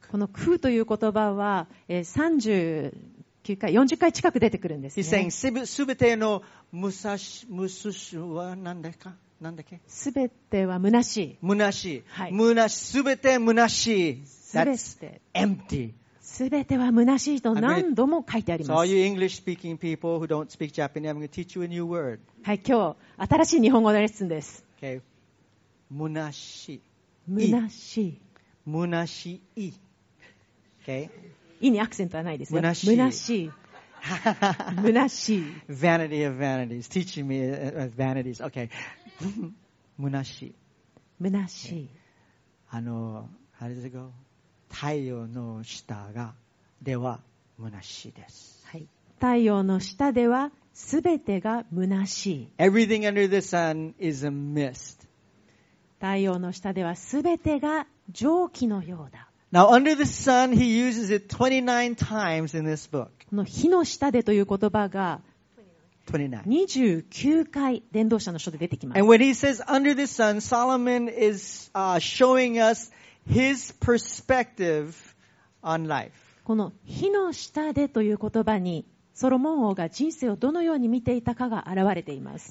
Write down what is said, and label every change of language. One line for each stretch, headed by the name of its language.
Japanese: この空という言葉は39回、40回近く出てくるんですね。
English: He's saying
Japanese: すべてのむさし、むすしはなんだっけ、なんだっけ？すべては虚しい。虚しい。はい。虚しい。すべて虚しい。
English: That's empty.
Japanese: すべては虚しいと何度も書いてあります。
English: So all you English speaking people who don't speak Japanese, I'm going to teach you a new word.
Japanese: はい、今日新しい日本語のレッスンです。 Okay. 虚しい。虚しい。虚しい。Okay. いいにアクセントはないですね。虚しい。虚しい。
English: Vanity of vanities. Teaching me vanities. Okay. 虚しい。
Japanese: 虚しい。
English: あの、How does it go?
Japanese: 太陽の下がでは虚しいです、はい、太陽の下では全てが虚しい
English: Everything under the sun is a mist.
Japanese: 太陽の下では全てが蒸気のようだ
English: Now, under the sun, he uses it 29 times in this book.
Japanese: この火の下でという言葉が 29 回伝道者の書で出てきます
English: And when he says under the sun, Solomon is、showing usHis perspective on life.
Japanese: この火の下でという言葉にソロモン王が人生をどのように見ていたかが現れています。